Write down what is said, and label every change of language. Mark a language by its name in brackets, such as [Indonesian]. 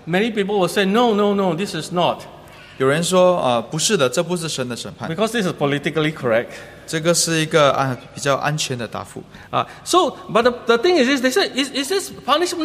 [English] Many people will say, no, this is not. [Chinese] 有人说，不是的，这不是神的审判。 [English] Because this is politically correct. [Chinese] 这个是一个比较安全的答复。 [English] So, but the thing is, they say, is this punishment?